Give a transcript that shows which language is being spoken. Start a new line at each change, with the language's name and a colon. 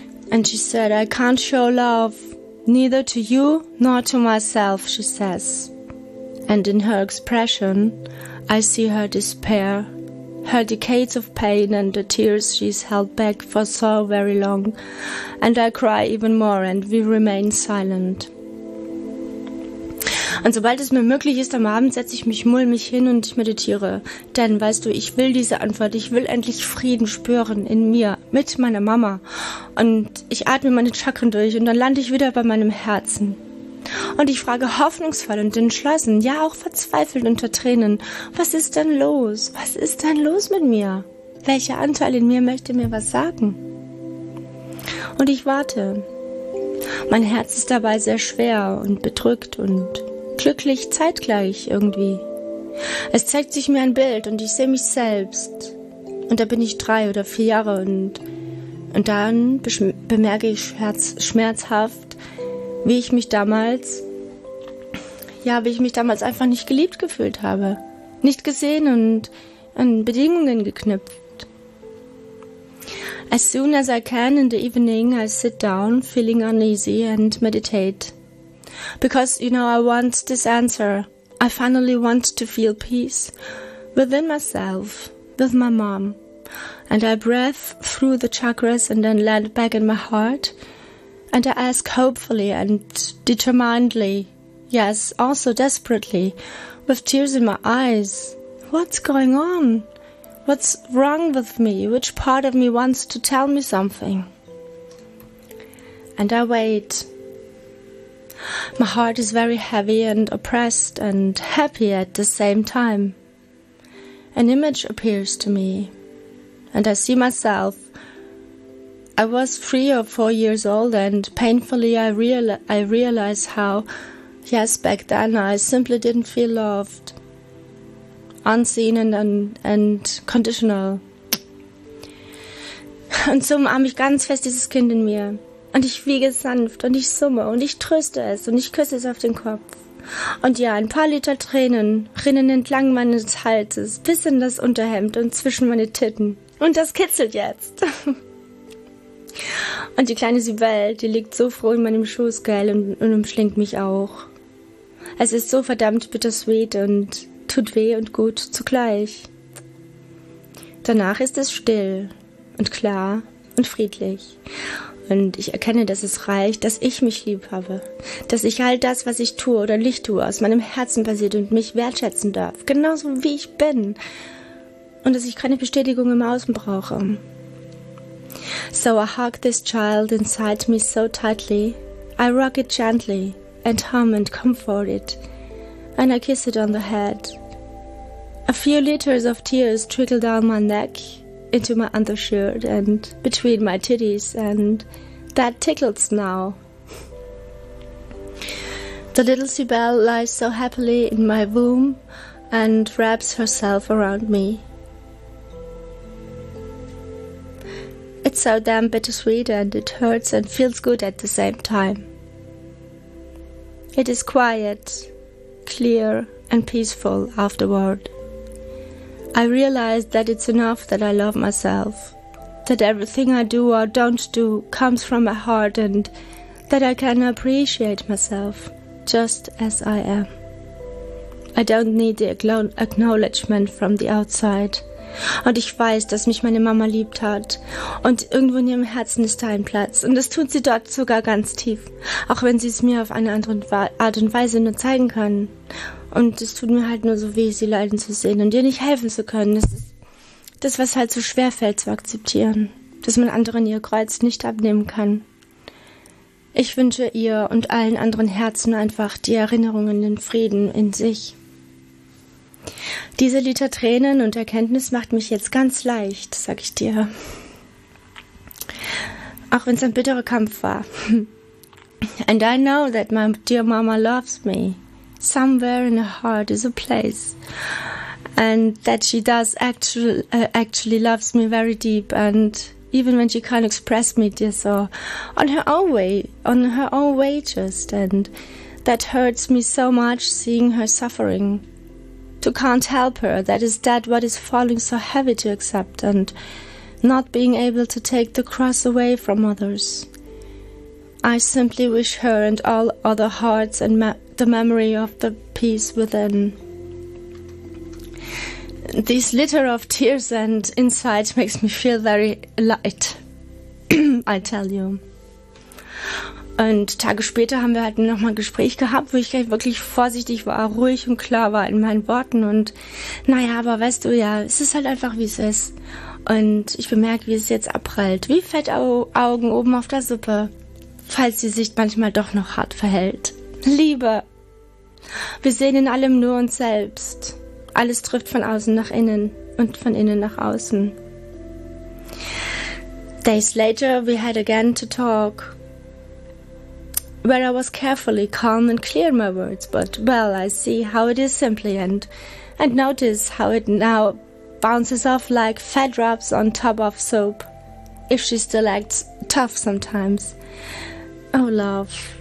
English: And she said, I can't show love, neither to you nor to myself, she says. And in her expression, I see her despair, her decades of pain and the tears she's held back for so very long. And I cry even more and we remain silent.
German: Und sobald es mir möglich ist, am Abend setze ich mich mulmig hin und ich meditiere. Denn, weißt du, ich will diese Antwort. Ich will endlich Frieden spüren in mir, mit meiner Mama. Und ich atme meine Chakren durch und dann lande ich wieder bei meinem Herzen. Und ich frage hoffnungsvoll und entschlossen, ja auch verzweifelt unter Tränen, was ist denn los? Was ist denn los mit mir? Welcher Anteil in mir möchte mir was sagen? Und ich warte. Mein Herz ist dabei sehr schwer und bedrückt und glücklich zeitgleich irgendwie. Es zeigt sich mir ein Bild und ich sehe mich selbst. Und da bin ich 3 oder 4 Jahre und dann bemerke ich schmerzhaft, wie ich mich damals einfach nicht geliebt gefühlt habe. Nicht gesehen und an Bedingungen geknüpft.
English: As soon as I can in the evening, I sit down, feeling uneasy and meditate. Because, you know, I want this answer. I finally want to feel peace within myself, with my mom. And I breathe through the chakras and then land back in my heart. And I ask hopefully and determinedly, yes, also desperately, with tears in my eyes, what's going on? What's wrong with me? Which part of me wants to tell me something? And I wait. My heart is very heavy and oppressed and happy at the same time. An image appears to me, and I see myself. I was 3 or 4 years old, and painfully I realize how, yes, back then I simply didn't feel loved, unseen and conditional.
German: Und so umarme ich ganz fest dieses Kind in mir. Und ich wiege sanft und ich summe und ich tröste es und ich küsse es auf den Kopf. Und ja, ein paar Liter Tränen rinnen entlang meines Halses bis in das Unterhemd und zwischen meine Titten. Und das kitzelt jetzt. Und die kleine Sibel, die liegt so froh in meinem Schoß, gell, und umschlingt mich auch. Es ist so verdammt bittersweet und tut weh und gut zugleich. Danach ist es still und klar und friedlich. Und ich erkenne, dass es reicht, dass ich mich lieb habe. Dass ich all das, was ich tue oder nicht tue, aus meinem Herzen passiert und mich wertschätzen darf. Genauso wie ich bin. Und dass ich keine Bestätigung im Außen brauche.
English: So I hug this child inside me so tightly. I rock it gently and hum and comfort it. And I kiss it on the head. A few liters of tears trickle down my neck, into my undershirt and between my titties, and that tickles now. The little Sibel lies so happily in my womb and wraps herself around me. It's so damn bittersweet and it hurts and feels good at the same time. It is quiet, clear and peaceful afterward. I realize that it's enough that I love myself, that everything I do or don't do comes from my heart, and that I can appreciate myself just as I am. I don't need the acknowledgement from the outside.
German: Und ich weiß, dass mich meine Mama liebt hat. Und irgendwo in ihrem Herzen ist da ein Platz. Und das tut sie dort sogar ganz tief. Auch wenn sie es mir auf eine andere Art und Weise nur zeigen kann. Und es tut mir halt nur so weh, sie leiden zu sehen und ihr nicht helfen zu können. Das ist das, was halt so schwer fällt zu akzeptieren. Dass man anderen ihr Kreuz nicht abnehmen kann. Ich wünsche ihr und allen anderen Herzen einfach die Erinnerungen, den Frieden in sich. Diese Liter Tränen und Erkenntnis macht mich jetzt ganz leicht, sag ich dir. Auch wenn es ein bitterer Kampf war.
English: And I know that my dear mama loves me. Somewhere in her heart is a place. and that she does actually loves me very deep, and even when she can't express me this or on her own way just, and that hurts me so much seeing her suffering, to can't help her, that is that what is falling so heavy to accept, and not being able to take the cross away from others. I simply wish her and all other hearts and the memory of the peace within. This litter of tears and insight makes me feel very light, I tell you.
German: Und Tage später haben wir halt nochmal ein Gespräch gehabt, wo ich wirklich vorsichtig war, ruhig und klar war in meinen Worten. Und naja, aber weißt du ja, es ist halt einfach, wie es ist. Und ich bemerke, wie es jetzt abprallt, wie Fettaugen oben auf der Suppe, falls sie sich manchmal doch noch hart verhält. Liebe, wir sehen in allem nur uns selbst. Alles trifft von außen nach innen und von innen nach außen.
English: Days later, we had again to talk, where I was carefully calm and clear in my words, but well, I see how it is simply, and notice how it now bounces off like fat drops on top of soap, if she still acts tough sometimes. Oh, love.